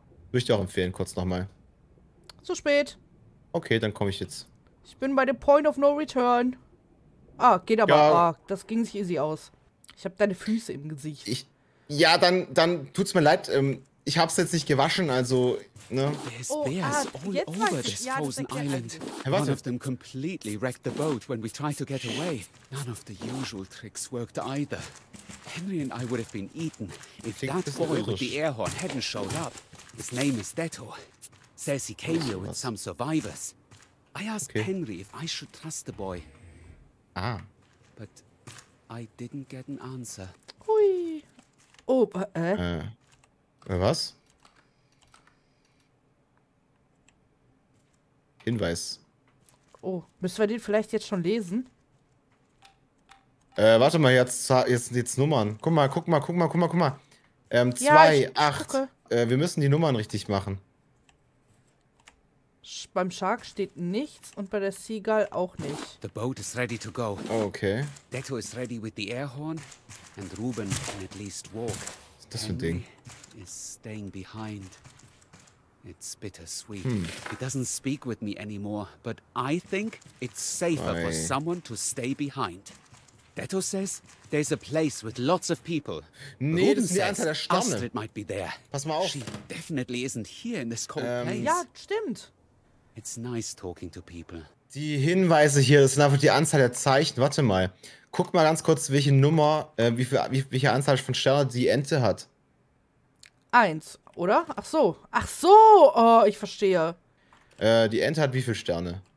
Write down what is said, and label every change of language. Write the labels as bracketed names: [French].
[German] Würde ich dir auch empfehlen, kurz nochmal. Zu spät. Okay, dann komme ich jetzt. Ich bin bei dem Point of No Return. Ah, geht aber. Ja. Ah, das ging sich easy aus. Ich habe deine Füße im Gesicht. Ja, dann tut's mir leid. Ich hab's jetzt nicht gewaschen, also, ne? [English] This beer is all over this frozen island. One of them completely wrecked the boat when we tried to get away. None of the usual tricks worked either. Henry and I would have been eaten if that boy with the air horn hadn't showed up. His name is Detor. Says he came here with some survivors. I asked Henry if I should trust the boy. Ah. But I didn't get an answer. Hui. Oh, [German] Was? Hinweis. Oh, müssen wir den vielleicht jetzt schon lesen? Warte mal, jetzt Nummern. Guck mal. 2, 8. Wir müssen die Nummern richtig machen. Beim Shark steht nichts und bei der Seagull auch nicht. [English] The boat is ready to go. Okay. Detto is ready with the air horn and Ruben can at least walk. [German] Das ist ein Ding. [English] Is staying behind. It's bittersweet. He doesn't speak with me anymore, but I think it's safer for someone to stay behind. Detto says there's a place with lots of people. [German] Nee, Ruben, das ist die Anzahl der Stamme. [English] Astrid might be there. [German] Pass mal auf. [English] She definitely isn't here in this cold place. [German] Ja, stimmt. [English] It's nice talking to people. [German] Die Hinweise hier, das sind einfach die Anzahl der Zeichen. Warte mal. Guck mal ganz kurz, welche Nummer, welche Anzahl von Sternen die Ente hat. 1, oder? Ach so, oh, ich verstehe. Die Ente hat wie viele Sterne?